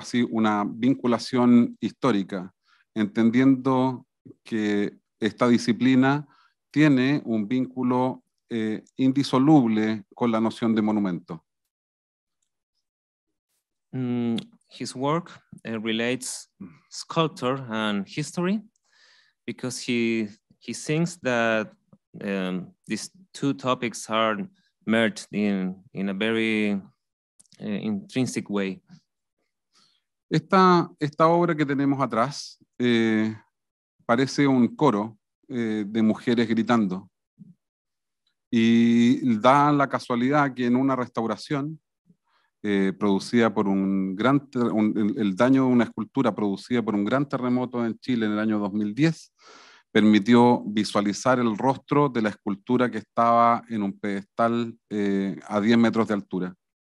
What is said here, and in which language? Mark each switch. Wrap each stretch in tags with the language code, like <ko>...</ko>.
<es>una vinculación histórica, entendiendo que esta disciplina tiene un vínculo indisoluble con la noción de monumento.</es> <en>His work relates sculpture and history because he thinks that these two topics are merged in a very intrinsic way.</en> <es>Esta obra que tenemos atrás parece un coro de mujeres gritando. Y da la casualidad que en una restauración producida por el daño de una escultura producida por un gran terremoto en Chile en el año 2010 permitió visualizar el rostro de la escultura que estaba en un pedestal a 10 metros de altura.</es>